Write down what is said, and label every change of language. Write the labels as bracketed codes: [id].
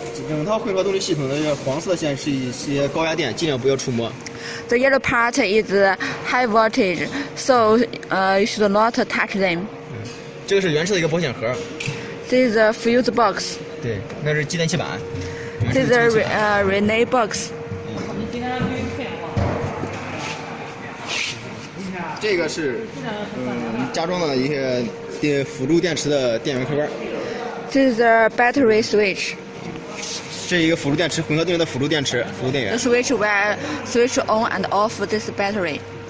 [zh] 整套汇合动力系统的黄色线是一些高压电，尽量不要触摸。 [en] The yellow part is high voltage, so you should not touch them. [zh] 这个是原车的一个保险盒。 [en] This is a fuse box. [zh] 对，那是继电器板。 [en] This is a relay box. [zh] 这个是加装的一些电辅助电池的电源开关。 [en] This is a battery switch. [zh] 这是一个辅助电池，混合动力的辅助电池，辅助电源。 [en] The switch will switch on and off this battery.